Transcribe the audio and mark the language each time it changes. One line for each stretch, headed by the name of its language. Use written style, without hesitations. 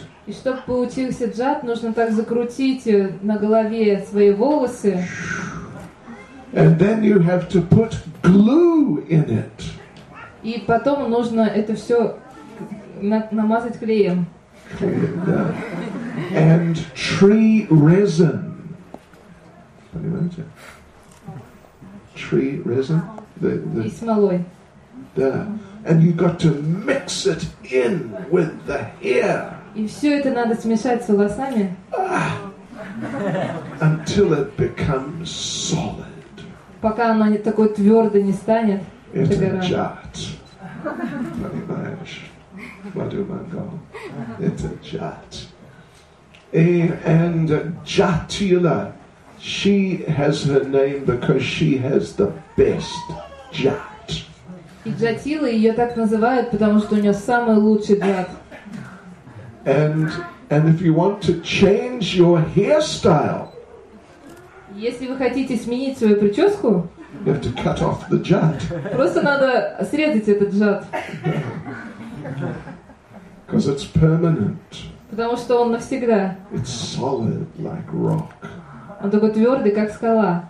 Russian: И чтобы получился джат, нужно так закрутить на голове свои волосы.
English: And then you have to put glue in it.
Russian: И потом нужно это все намазать клеем.
English: And tree resin.
Russian: Понимаете?
English: Tree resin.
Russian: И смолой. Да.
English: And you got to mix it in with the hair.
Russian: И все это надо смешать с волосами.
English: Until it becomes solid.
Russian: Пока оно не такое твердое не станет. Это джат. Понимаешь?
English: What do I know?
Russian: Это джат.
English: And Jatila, she has her name because she has the best jat.
Russian: И Джатила ее так называют, потому что у нее самый лучший джат.
English: And if you want to change your hairstyle,
Russian: если вы хотите сменить свою прическу,
English: you have to cut off the jat.
Russian: Просто надо срезать этот джат.
English: Because it's permanent.
Russian: Потому что он навсегда.
English: It's solid like rock.
Russian: Он такой твердый, как скала.